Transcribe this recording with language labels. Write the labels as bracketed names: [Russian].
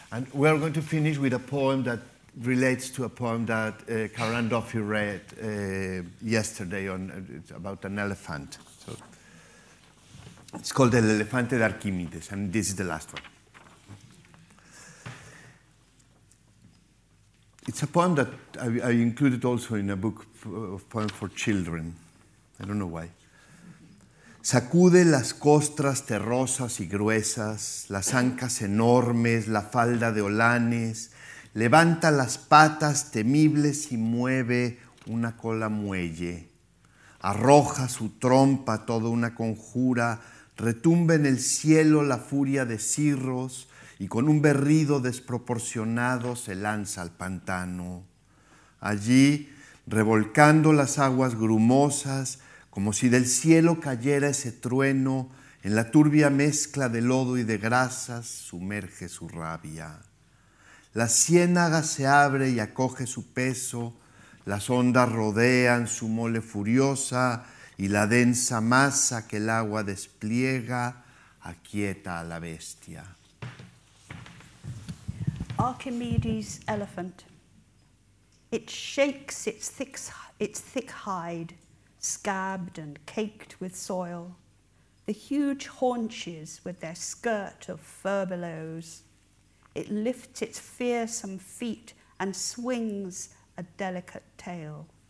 [English] And we're going to finish with a poem that relates to a poem that Karan Duffy read yesterday on about an elephant. So it's called El Elefante de Arquímedes, and this is the last one. It's a poem that I included also in a book of poems for children. I don't know why. [Spanish] Sacude las costras terrosas y gruesas, las ancas enormes, la falda de olanes. Levanta las patas temibles y mueve una cola muelle. Arroja su trompa toda una conjura, retumba en el cielo la furia de cirros y con un berrido desproporcionado se lanza al pantano. Allí, revolcando las aguas grumosas, como si del cielo cayera ese trueno, en la turbia mezcla de lodo y de grasas sumerge su rabia. La ciénaga se abre y acoge su peso, las ondas rodean su mole furiosa y la densa masa que el agua despliega aquieta a la bestia. [English] Archimedes' elephant. It shakes its thick hide, scabbed and caked with soil, the huge haunches with their skirt of furbelows. It lifts its fearsome feet and swings a delicate tail.